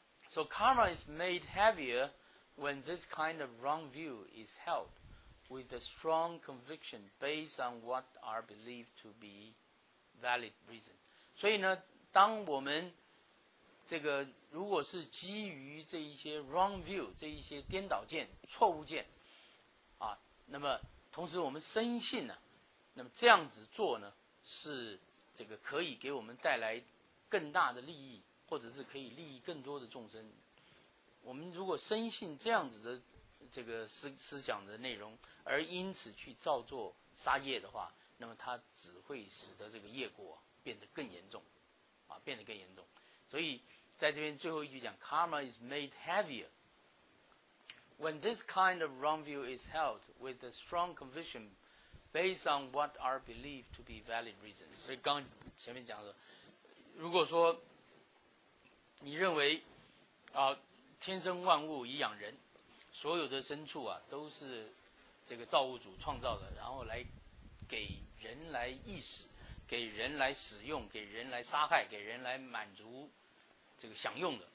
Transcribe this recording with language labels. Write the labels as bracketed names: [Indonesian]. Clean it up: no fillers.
[English] So karma is made heavier when this kind of wrong view is held with a strong conviction based on what are believed to be valid reason. [Chinese] 所以呢，当我们这个如果是基于这一些 [English] wrong view， [Chinese] 这一些颠倒见、错误见啊，那么同时我们深信呢、啊，那么这样子做呢，是这个可以给我们带来更大的利益。或者是可以利益更多的众生，我们如果深信这样子的这个思想的内容，而因此去造作杀业的话，那么它只会使得这个业果变得更严重，啊，变得更严重。所以在这边最后一句讲 [English] ，karma is made heavier when this kind of wrong view is held with a strong conviction based on what are believed to be valid reasons。 [Chinese] 所以刚前面讲的，如果说你认为啊，天生万物以养人，所有的牲畜啊都是这个造物主创造的，然后来给人来意识，给人来使用，给人来杀害，给人来满足这个享用的。